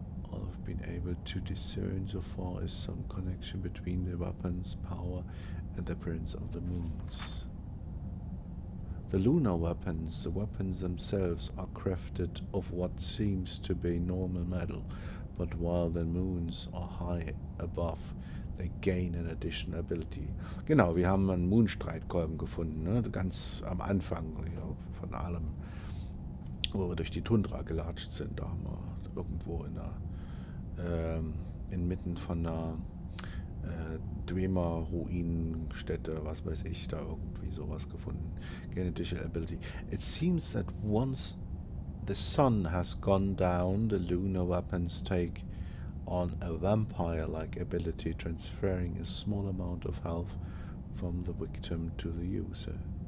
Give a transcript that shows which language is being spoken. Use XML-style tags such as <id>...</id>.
<en>All I've been able to discern so far is some connection between the weapon's power and the prince of the moons. The lunar weapons, the weapons themselves, are crafted of what seems to be normal metal, but while the moons are high above, they gain an additional ability.</en> <de>Genau, wir haben einen Moonstreitkolben gefunden, ne? Ganz am Anfang, ja, von allem, wo wir durch die Tundra gelatscht sind, da haben wir irgendwo in der, inmitten von einer Dwemer-Ruinenstätte, was weiß ich, da irgendwie sowas gefunden. Genetische Ability.</de> <en>It seems that once the sun has gone down, the lunar weapons take on a vampire-like ability, transferring a small amount of health from the victim to the user.</en>